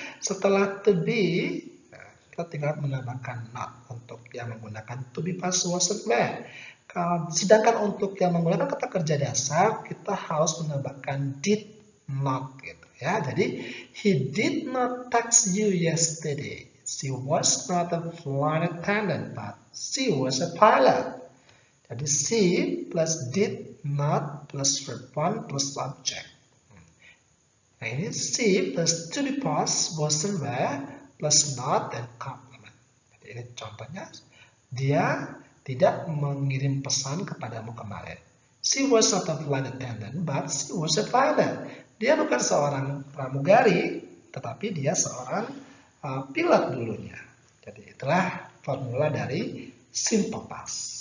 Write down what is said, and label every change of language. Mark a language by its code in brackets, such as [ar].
[id] Setelah to be, kita tinggal menambahkan not untuk yang menggunakan to be past, was, and when. Sedangkan untuk yang menggunakan kata kerja dasar, kita harus menambahkan did not, gitu ya. [en] Jadi, he did not text you yesterday. She was not a flight attendant, but she was a pilot. Jadi, she plus did not plus verb one plus subject. [id] Nah, ini [en] she plus to be past, was, and when, plus not and complement. [id] Jadi ini contohnya, dia tidak mengirim pesan kepadamu kemarin. [en] She was not a flight attendant, but she was a pilot. [id] Dia bukan seorang pramugari, tetapi dia seorang pilot dulunya. Jadi itulah formula dari simple past.